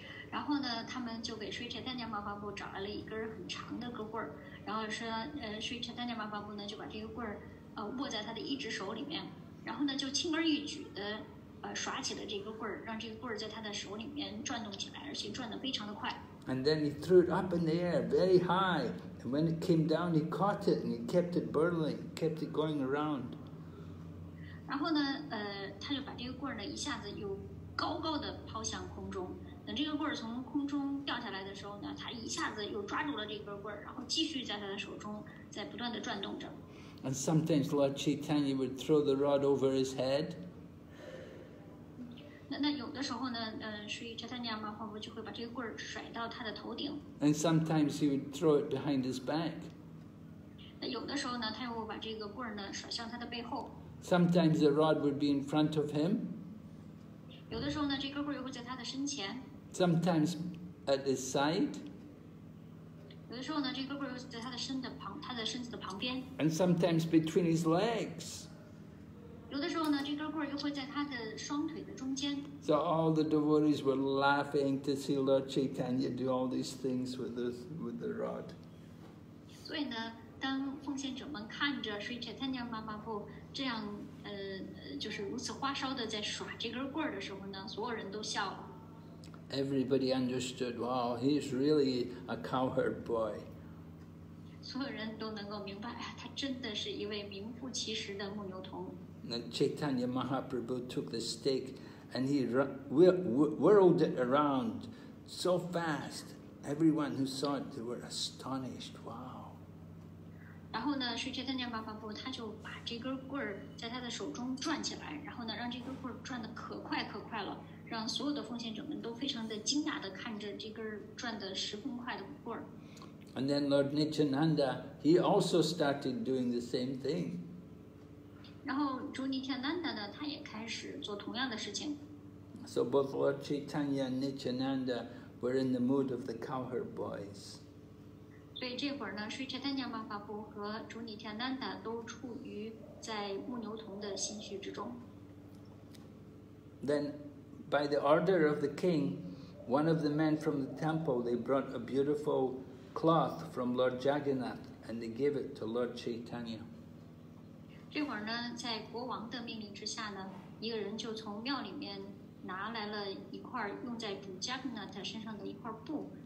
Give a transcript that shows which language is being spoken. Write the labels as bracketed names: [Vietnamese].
[Chinese] 然后呢，他们就给 Sri Chaitanya Mahaprabhu 找来了一根很长的根棍儿，然后说，Sri Chaitanya Mahaprabhu 呢就把这个棍儿，握在他的一只手里面，然后呢就轻而易举的，耍起了这个棍儿，让这个棍儿在他的手里面转动起来，而且转得非常的快。 [English] And then he threw it up in the air, very high, and when it came down, he caught it and he kept it burling, kept it going around. [Chinese] 然后呢，他就把这个棍儿呢一下子又高高的抛向空中。等这个棍儿从空中掉下来的时候呢，他一下子又抓住了这根棍儿，然后继续在他的手中在不断的转动着。 [English] And sometimes Lord Chaitanya would throw the rod over his head. [Chinese] 那有的时候呢，Sri Chaitanya Mahaprabhu就会把这个棍儿甩到他的头顶。 [English] And sometimes he would throw it behind his back. [Chinese] 那有的时候呢，他又把这个棍儿呢甩向他的背后。 [English] Sometimes the rod would be in front of him. [Chinese] 有的时候呢，这根棍儿又会在他的身前。 [English] Sometimes at his side. [Chinese] 有的时候呢，这根棍儿又在他的身子的旁边。 [English] And sometimes between his legs. [Chinese] 有的时候呢，这根棍儿又会在他的双腿的中间。 [English] So all the devotees were laughing to see Lord Chaitanya do all these things with the rod. [Chinese] 所以呢，当奉献者们看着 Sri Chaitanya Mahaprabhu 这样。就是如此花哨的在耍这根棍儿的时候呢，所有人都笑了。 [English] Everybody understood. Wow, he's really a cowherd boy. [Chinese] 所有人都能够明白，他真的是一位名副其实的木牛童。 [English] 那 Chaitanya Mahaprabhu took the stake and he whirled it around so fast. Everyone who saw it, they were astonished. Wow. [Chinese] 然后呢，水天天巴巴布他就把这根棍儿在他的手中转起来，然后呢，让这根棍儿转得可快可快了，让所有的奉献者们都非常的惊讶的看着这根转得十分快的棍儿。 [English] And then Lord Nityananda, he also started doing the same thing. [Chinese] 然后朱尼天南达呢，他也开始做同样的事情。 [English] So both Lord Chaitanya and Nityananda were in the mood of the cowherd boys. [Chinese] 所以这会儿呢，水车丹娘妈妈布和主尼天丹达都处于在木牛童的心绪之中。 [English] Then, by the order of the king, one of the men from the temple they brought a beautiful cloth from Lord Jagannath and they gave it to Lord Chaitanya. [Chinese] 这会儿呢，在国王的命令之下呢，一个人就从庙里面拿来了一块用在主 Jagannath 身上的一块布。